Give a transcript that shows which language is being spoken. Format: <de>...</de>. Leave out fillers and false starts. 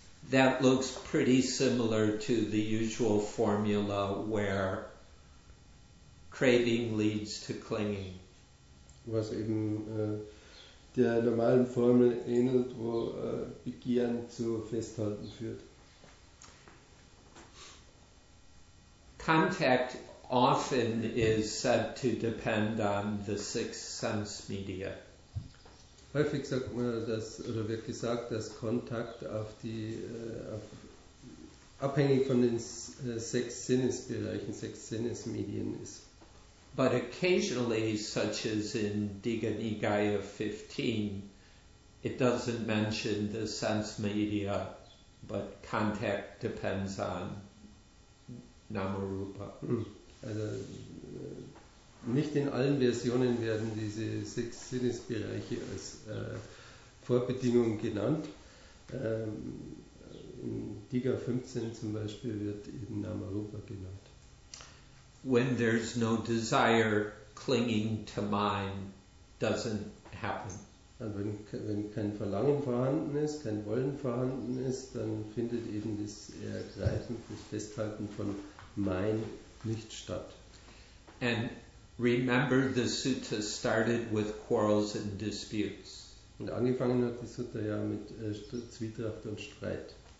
<en>That looks pretty similar to the usual formula where craving leads to clinging.</en> <de>Was eben der normalen Formel ähnelt, wo Begehren zu Festhalten führt.</de> <en>Contact often is said to depend on the six sense media.</en> <de>Häufig sagt man, dass, oder wird gesagt, dass Kontakt auf die, abhängig von den sechs Sinnesbereichen, sechs Sinnesmedien ist.</de> <en>But occasionally, such as in Digha Nikaya 15, it doesn't mention the sense media, but contact depends on Namarupa.</en> <de>Also, nicht in allen Versionen werden diese sechs Sinnesbereiche als Vorbedingung genannt. In Digha 15 zum Beispiel wird eben Namarupa genannt.</de> <en>When there's no desire, clinging to mind doesn't happen.</en> <de>Und wenn kein Verlangen vorhanden ist, kein Wollen vorhanden ist, dann findet eben das Ergreifen, das Festhalten von mein nicht statt.</de> <en>And remember, the sutta started with quarrels and disputes.</en> <de>Und angefangen hat die Sutta ja mit Zwietracht und Streit.</de>